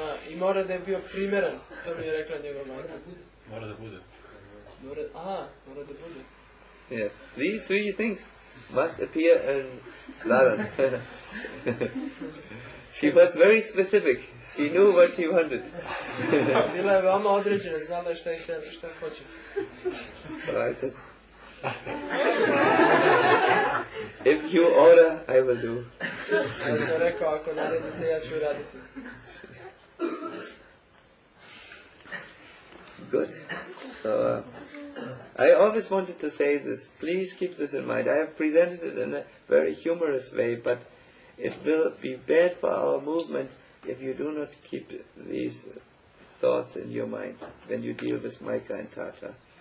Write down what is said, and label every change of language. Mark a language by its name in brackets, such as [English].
[Serbian] I mora da je bio primeran, to mi je rekla njegova majka. Mora da bude. Mora da bude. [English] Yes, these three things must appear in Ladan. She was very specific. She knew what she wanted. [Serbian] Bila je veoma određena, znala šta je htjela, šta hoće. [English] Right. If you order, I will do. [Serbian] Ja sam rekao, ako naredite, ja ću raditi. [English] Good. So, I always wanted to say this. Please keep this in mind. I have presented it in a very humorous way, but it will be bad for our movement if you do not keep these thoughts in your mind when you deal with Maika and Tata.